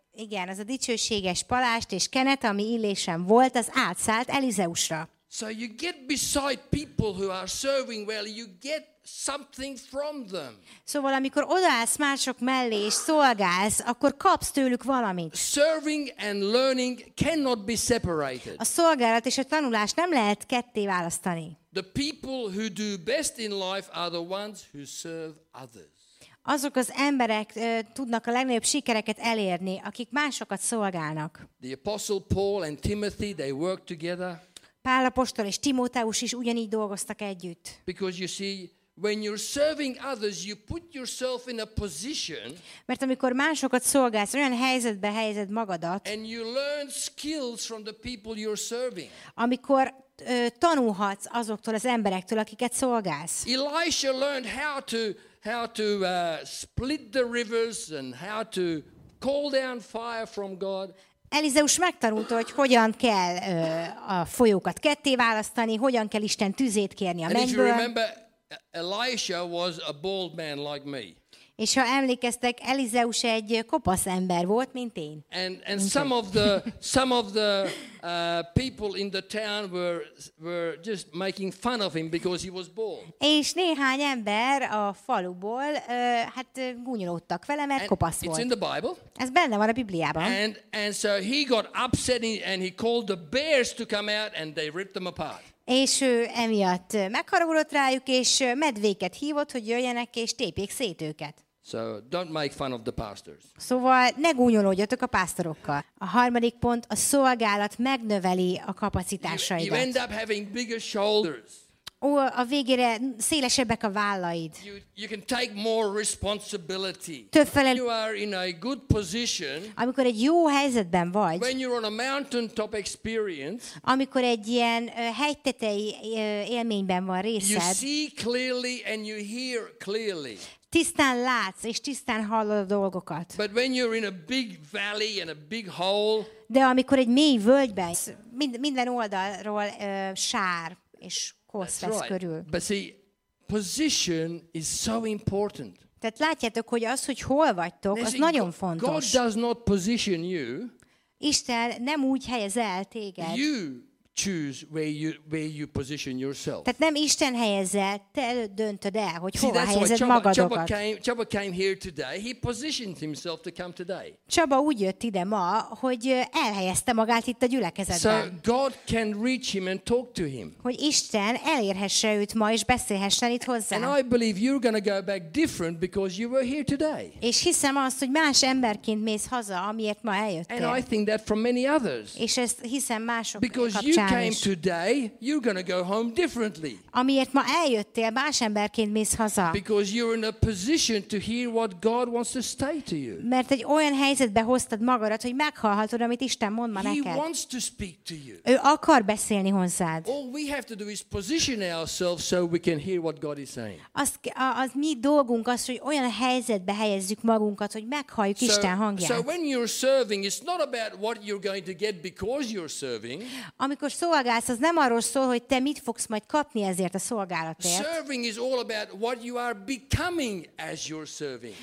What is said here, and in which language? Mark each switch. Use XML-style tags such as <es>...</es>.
<hu>Igen, az a dicsőséges palást és kenet, ami Illésen volt, az átszállt Elizeusra.</hu> <en>So you get beside people who are serving well, you get something from them.</en> <hu>Szóval amikor odaállsz mások mellé és szolgálsz, akkor kapsz tőlük valamit.</hu> <en>Serving and learning cannot be separated.</en> <hu>A szolgálat és a tanulás nem lehet ketté választani.</hu> <en>The people who do best in life are the ones who serve others.</en> <hu>Azok az emberek tudnak a legnagyobb sikereket elérni, akik másokat szolgálnak.</hu> <en>The Apostle Paul and Timothy, they worked together.</en> <hu>Pál apostol és Timóteus is ugyanígy dolgoztak együtt.</hu> <en>Because you see, When you're serving others, you put yourself in a position.</en> <hu>Mert amikor másokat szolgálsz, olyan helyzetbe helyezed magadat.</hu> <en>And you learn skills from the people you're serving.</en> <hu>Amikor tanulhatsz azoktól az emberektől, akiket szolgálsz.</hu> <en>Elisha learned how to split the rivers and how to call down fire from God.</en> <hu>Elizeus megtanulta, hogy hogyan kell a folyókat ketté választani, hogyan kell Isten tüzét kérni a mennyből.</hu> <en>Elisha was a bald man like me.</en> <hu>És ha emlékeztek, Elizeus egy kopasz ember volt, mint én.</hu> <en>And some of the people in the town were just making fun of him because he was bald.</en> <hu>És néhány ember a faluból hát gúnyolódtak vele, mert kopasz volt.</hu> <en>It's in the Bible.</en> <hu>Ez benne van a Bibliában.</hu> <en>And so he got upset and he called the bears to come out and they ripped them apart.</en> <hu>És ő emiatt megharagudott rájuk, és medvéket hívott, hogy jöjjenek és tépjék szét őket.</hu> <en>So don't make fun of the pastors.</en> <hu>Szóval ne gúnyolódjatok a pásztorokkal. A harmadik pont, a szolgálat megnöveli a kapacitásaidat.</hu> <en>You end up having bigger shoulders.</en> <hu>A végére szélesebbek a vállaid.</hu> <en>You can take more responsibility.</en> <hu>Több felelősséget.</hu> <en>You are in a good position.</en> <hu>Amikor egy jó helyzetben vagy.</hu> <en>When you're on a mountaintop experience.</en> <hu>Amikor egy ilyen hegytetei élményben van részed.</hu> <en>You see clearly and you hear clearly.</en> <hu>Tisztán látsz és tisztán hallod a dolgokat.</hu> <en>But when you're in a big valley and a big hole.</en> <hu>De amikor egy mély völgyben, minden oldalról sár és</hu> <en>That's right. But see, position is so important.</en> <hu>Tehát látjátok, hogy az, hogy hol vagytok, az nagyon fontos.</hu> <en>God does not position you.</en> <hu>Isten nem úgy helyez el téged.</hu> <en>You choose where you position yourself.</en> <hu>Tehát nem Isten helyez el, te döntöd el, hogy hova helyezed magadat.</hu> <en>Chaba came here today. He positioned himself to come today.</en> <hu>Chaba úgy jött ide ma, hogy elhelyezte magát itt a gyülekezetben.</hu> <en>So God can reach him and talk to him.</en> <hu>Hogy Isten elérhesse őt ma és beszélhessen itt hozzá.</hu> <en>And I believe you're going to go back different because you were here today.</en> <hu>És hiszem azt, hogy más emberként mész haza, amiért ma eljöttél.</hu> <en>And I think that from many others.</en> <hu>És ezt hiszem mások kapcsán.</hu> <en>You came today, you're going to go home differently.</en> <hu>Amiért ma eljöttél, más emberként mész haza.</hu> <en>Because you're in a position to hear what God wants to say to you.</en> <hu>Mert egy olyan helyzetbe hoztad magadat, hogy meghallhatod, amit Isten mond ma neked.</hu> <en>He wants to speak to you.</en> <hu>Ő akar beszélni hozzád.</hu> <en>All we have to do is position ourselves so we can hear what God is saying.</en> <hu>Az mi dolgunk az, hogy olyan helyzetbe helyezzük magunkat, hogy meghalljuk Isten hangját.</hu> <en>So when you're serving, it's not about what you're going to get because you're serving.</en> <hu>Amikor szolgálsz, az nem arról szól, hogy te mit fogsz majd kapni ezért a szolgálatért.</hu> <en>Serving is all about what you are becoming as you're serving.</en>